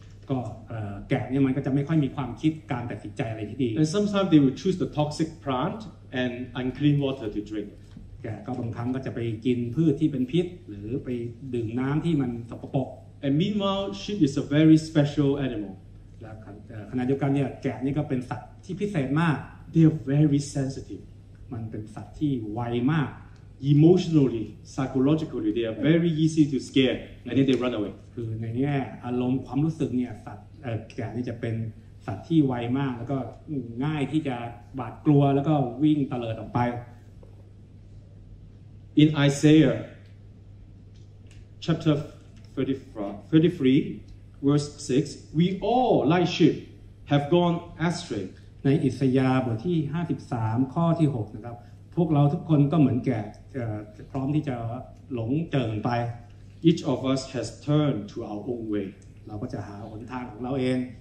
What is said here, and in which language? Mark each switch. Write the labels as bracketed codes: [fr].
[th] ก็แกะเนี่ยมันก็จะไม่ค่อยมีความคิดการตัดสินใจอะไรที่ดี [en] And sometimes they will choose the toxic plant and unclean water to drink [th] ก็บางครั้งก็จะไปกินพืชที่เป็นพิษหรือไปดื่มน้ำที่มันสกปรก [en] And meanwhile sheep is a very special animal [th] แล้วขณะเดียวกันเนี่ยแกะนี่ก็เป็นสัตว์ที่พิเศษมาก [en] They are very sensitive [th] มันเป็นสัตว์ที่ไวมาก [en] Emotionally psychologically they are very easy to scare and then they run away [th] คือในแง่อารมณ์ความรู้สึกเนี่ยสัตว์แกะนี่จะเป็นสัตว์ที่ไวมากแล้วก็ง่ายที่จะหวาดกลัวแล้วก็วิ่งเตลิดออกไป [en] In Isaiah chapter 33 verse 6 we all like sheep have gone astray [th] ในอิสยาห์บทที่53ข้อที่6นะครับพวกเราทุกคนก็เหมือนแกะพร้อมที่จะหลงเจริญไป [en] each of us has turned to our own way [th] เราก็จะหาหนทางของเราเอง